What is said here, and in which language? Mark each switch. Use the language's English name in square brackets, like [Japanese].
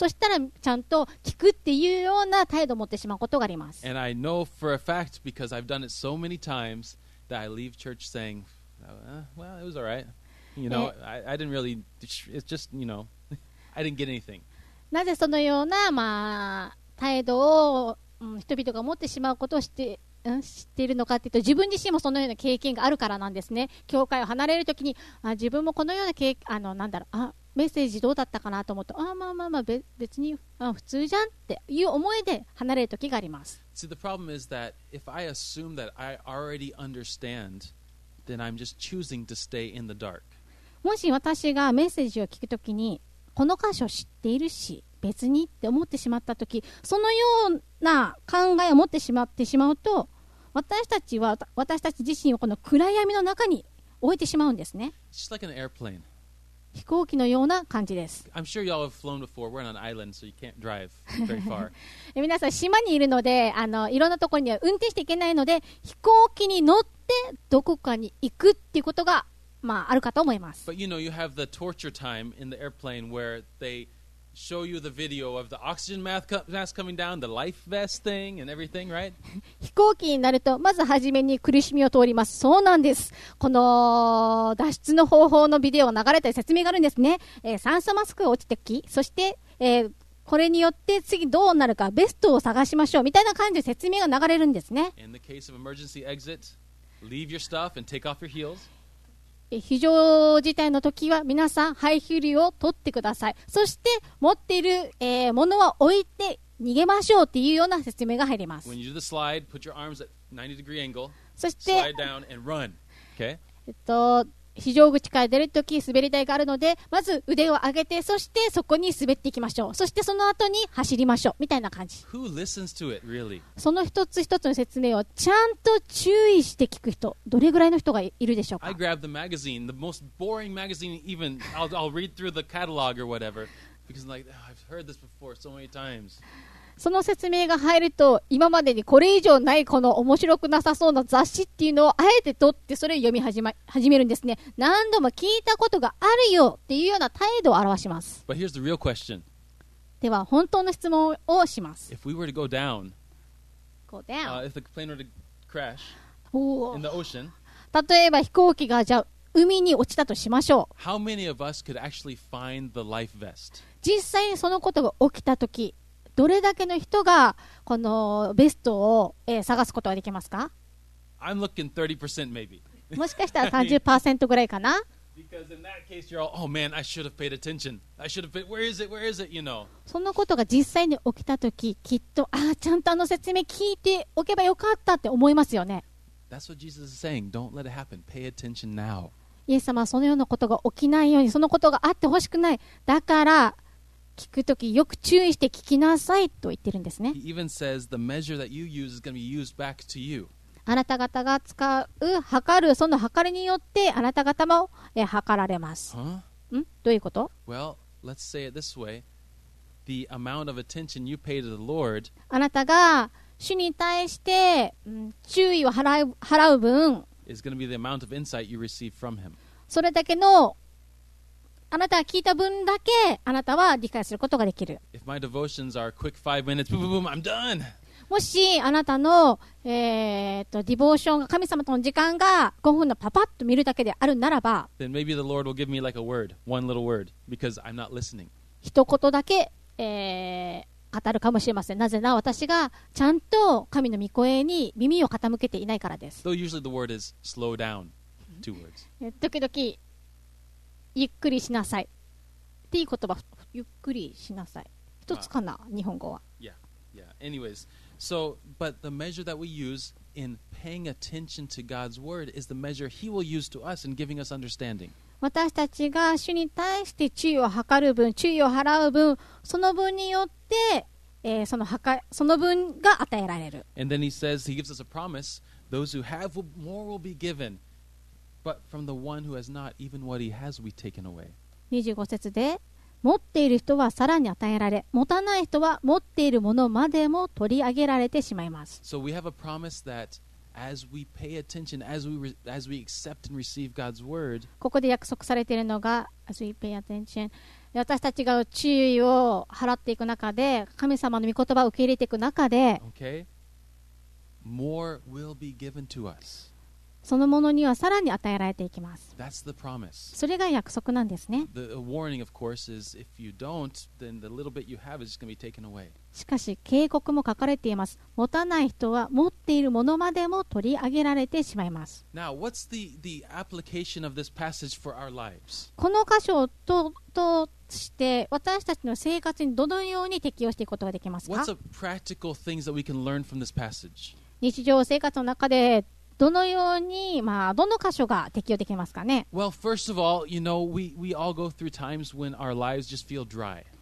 [Japanese] そしたらちゃんと聞くっていうような態度を持ってしまうことがあります。 [English] And I know for a fact because I've done it so many times that I leave church saying, well, it was all right. You know, I didn't really, it's just, you know, I didn't get anything. [Japanese] なぜそのような、態度を、人々が持ってしまうことを知っているのかというと、自分自身もそのような経験があるからなんですね。教会を離れるときに、自分もこのような経験、なんだろう、あメッセージどうだったかなと思って、まあ別に普通じゃんっていう思いで離れる時があります。 [English] See, the problem is that if I assume that I already understand, then I'm just choosing to stay in the dark. [Japanese] もし私がメッセージを聞くときにこの箇所知っているし別にって思ってしまったとき、そのような考えを持ってしまってしまうと、私たち自身をこの暗闇の中に置いてしまうんですね。 [English] It's just like an airplane. [Japanese] 飛行機のような感じです。 [English] I'm sure y'all have flown before. We're on an island, so you can't drive very far. [Japanese] 皆さん島にいるので、いろんなところには運転していけないので、飛行機に乗ってどこかに行くっていうことが、あるかと思います。 [English] But you know, you have the torture time in the airplane where they show you the video of the oxygen mask coming down, the life vest thing and everything, right? [Japanese] 飛行機になるとまずはじめに苦しみを通ります。そうなんです。この脱出の方法のビデオが流れたり説明があるんですね。酸素マスクが落ちてき、そして、これによって次どうなるかベストを探しましょうみたいな感じで説明が流れるんですね。 [English] In the case of emergency exit, leave your stuff and take off your heels. [Japanese] 非常事態の時は皆さんハイヒールを取ってください。そして持っている、ものは置いて逃げましょうっていうような説明が入ります。 [English] When you do the slide, put your arms at 90 degree angle. [Japanese] そして [English] slide down and run. Okay. [Japanese] 非常口から出る時滑り台があるのでまず腕を上げてそしてそこに滑っていきましょう。そしてその後に走りましょうみたいな感じ。 [English] Who listens to it, really? [Japanese] その一つ一つの説明をちゃんと注意して聞く人どれぐらいの人がいるでしょうか。 [English] I grab the magazine, the most boring magazine even. I'll read through the catalog or whatever because I'm like, oh, I've heard this before so many times. [Japanese] その説明が入ると今までにこれ以上ないこの面白くなさそうな雑誌っていうのをあえて取ってそれを読み始めるんですね。何度も聞いたことがあるよっていうような態度を表します。 [English] But here's the real question. [Japanese] では本当の質問をします。 [English] If we were to go down, if the plane were to crash in the ocean, [Japanese] 例えば飛行機がじゃあ海に落ちたとしましょう。 [English] How many of us could actually find the life vest? [Japanese] 実際にそのことが起きたときどれだけの人がこのベストを、探すことができますか。 [English] I'm looking 30% maybe. [Japanese] もしかしたら 30% ぐらいかな。 [English] Because in that case you're all, oh man, I should have paid attention. I should have paid, where is it, where is it, you know. [Japanese] そのことが実際に起きたとききっと、ああちゃんとあの説明聞いておけばよかったって思いますよね。 [English] That's what Jesus is saying. Don't let it happen. Pay attention now. [Japanese] イエス様はそのようなことが起きないように、そのことがあってほしくない。だから聞くときよく注意して聞きなさいと言ってるんですね。 [English] He even says the measure that you use is going to be used back to you. [Japanese] あなた方が使う測るその測りによってあなた方も測られます。 Huh? ん？どういうこと？ [English] Well, let's say it this way: the amount of attention you pay to the Lord. [Japanese] あなたが主に対して、注意を払う分、 [English] is going to be the amount of insight you receive from him. [Japanese] それだけのあなたが聞いた分だけあなたは理解することができる。 [English] If my devotions are quick 5 minutes, boom, boom, boom, I'm done. [Japanese] もしあなたの、ディボーションが神様との時間が5分のパパッと見るだけであるならば、 [English] then maybe the Lord will give me like a word, one little word, because I'm not listening. [Japanese] 一言だけ、語るかもしれません。なぜなら私がちゃんと神の御声に耳を傾けていないからです。 [English] Though usually the word is slow down, two words. [Japanese] 時々ゆっくりしなさいっていう言葉、ゆっくりしなさい、一つかな、日本語は。 [English] Yeah, yeah. Anyways, so, but the measure that we use in paying attention to God's word is the measure He will use to us in giving us understanding. [Japanese] 私たちが主に対して注意を図る分、注意を払う分、その分によって、その分が与えられる。 [English] And then He says, He gives us a promise, those who have more will be given. But from the one who has not, even what he has, we've taken away. [Japanese] 25節で、持っている人はさらに与えられ、持たない人は持っているものまでも取り上げられてしまいます。 [English] So we have a promise that as we pay attention, as we accept and receive God's word, [Japanese] ここで約束されているのが、 [English] as we pay attention, [Japanese] 私たちが注意を払っていく中で、神様の御言葉を受け入れていく中で、 [English] okay, more will be given to us. [Japanese] そのものにはさらに与えられていきます。 [English] That's the promise. [Japanese] それが約束なんですね。 [English] The warning, of course, is if you don't, then the little bit you have is just going to be taken away. [Japanese] しかし警告も書かれています。持たない人は持っているものまでも取り上げられてしまいます。 [English] Now, what's the application of this passage for our lives? [Japanese] この箇所を通して私たちの生活にどのように適用していくことができますか？ [English] What's the practical things that we can learn from this passage? [Japanese] 日常生活の中でどのように、まあ、どの箇所が適用できますかね。 [English] Well, first of all, you know, we all go through times when our lives just feel dry.